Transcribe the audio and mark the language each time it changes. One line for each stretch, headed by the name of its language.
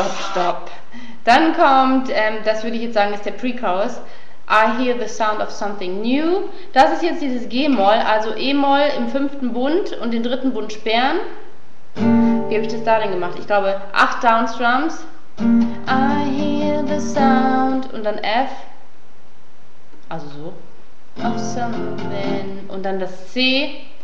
German: Stopp. Dann kommt, das würde ich jetzt sagen, ist der Pre-Chorus.
English: I hear the sound of something new.
German: Das ist jetzt dieses G-Moll, also E-Moll im fünften Bund und den dritten Bund sperren. Wie habe ich das darin gemacht? Ich glaube, 8 Downstrums.
English: I hear the sound.
German: Und dann F. Also so.
English: Of something.
German: Und dann das C.